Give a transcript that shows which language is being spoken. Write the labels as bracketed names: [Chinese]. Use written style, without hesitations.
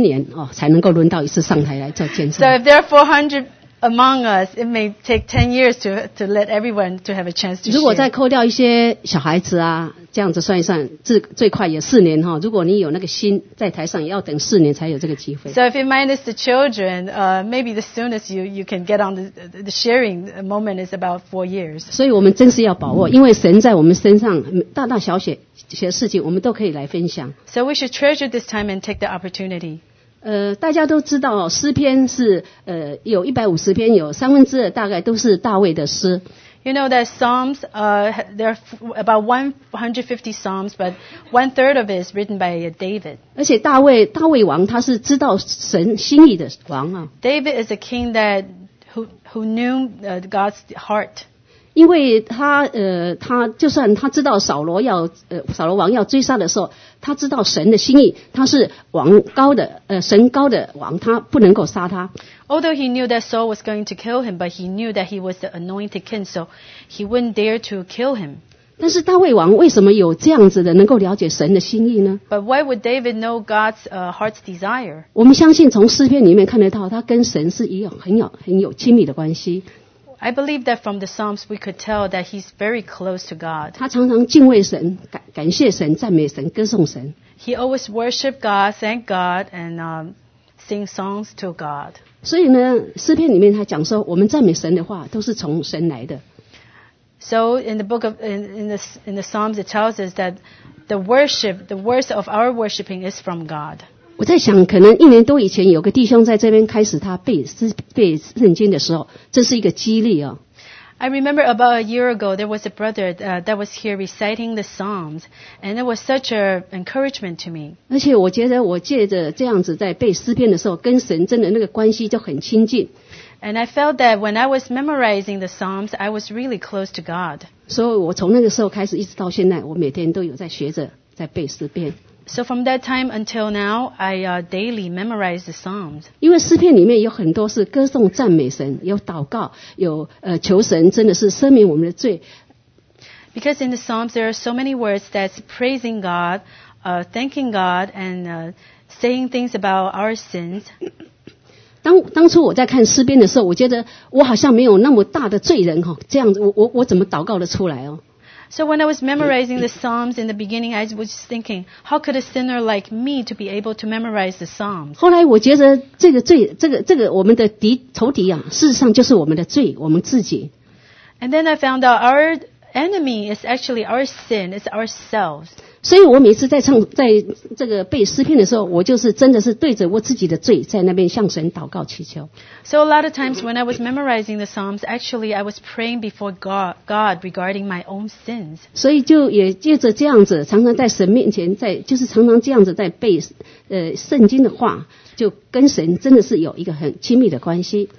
[Chinese] 所以我们这边如果四百个人的话，大概要十年哦，才能够轮到一次上台来做见证。 [English] So if there are 400 among us, it may take 10 years to let everyone to have a chance to share. [Chinese] 如果再扣掉一些小孩子啊。这样子算一算，最快也四年哈。如果你有那个心，在台上也要等四年才有这个机会。 [English] So if you minus the children, maybe the soonest you can get on the sharing moment is about 4 years. [Chinese] 所以我们真是要把握，因为神在我们身上大大小小的事情，我们都可以来分享。So [English] we should treasure this time and take the opportunity. [Chinese] 大家都知道诗篇是有150篇，有三分之二大概都是大卫的诗。 [English] You know that Psalms, there are about 150 Psalms, but one third of it is written by David. [Chinese] 而且大卫王他是知道神心意的王啊。 [English] David is a king that who knew God's heart. [Chinese] 因为他他就算他知道扫罗要扫罗王要追杀的时候，他知道神的心意，他是王高的神高的王，他不能够杀他。 [English] Although he knew that Saul was going to kill him, but he knew that he was the anointed king, so he wouldn't dare to kill him. [Chinese] 但是大卫王为什么有这样子的能够了解神的心意呢 [English] ？But why would David know God's heart's desire? [Chinese] 我们相信从诗篇里面看得到，他跟神是一样很有亲密的关系。 [English] I believe that from the Psalms we could tell that he's very close to God. [Chinese] 他常常敬畏神，感谢神，赞美神，歌颂神。 [English] He always worship God, thank God, and sing songs to God. [Chinese] 所以呢，诗篇里面他讲说，我们赞美神的话都是从神来的。 [English] So in the book of in the Psalms it tells us that the words of our worshiping is from God. [Chinese] 我在想，可能一年多以前有个弟兄在这边开始他背圣经的时候，这是一个激励啊。 [English] I remember about a year ago there was a brother that was here reciting the Psalms, and it was such an encouragement to me. [Chinese] 而且我觉得我借着这样子在背诗篇的时候，跟神真的那个关系就很亲近。 [English] And I felt that when I was memorizing the Psalms, I was really close to God. [Chinese] 所以我从那个时候开始一直到现在，我每天都有在学着在背诗篇。 [English] So from that time until now, I daily memorize the Psalms. [Chinese] 因为诗篇里面有很多是歌颂赞美神，有祷告，有求神真的是赦免我们的罪。 [English] Because in the Psalms there are so many words that's praising God, thanking God, and saying things about our sins. [Chinese] 当初我在看诗篇的时候，我觉得我好像没有那么大的罪人哈，这样子我怎么祷告得出来哦？ [English] So when I was memorizing the Psalms in the beginning, I was thinking, how could a sinner like me to be able to memorize the Psalms? [Chinese] 后来我觉得这个我们的仇敌啊，事实上就是我们的罪，我们自己。 [English] And then I found out our enemy is actually our sin, it's ourselves. [Chinese] 所以我每次在这个背诗篇的时候，我就是真的是对着我自己的罪，在那边向神祷告祈求。 [English] So a lot of times when I was memorizing the Psalms, actually I was praying before God regarding my own sins. [Chinese] 所以就也借着这样子，常常在神面前，常常这样子在背圣经的话，就跟神真的是有一个很亲密的关系。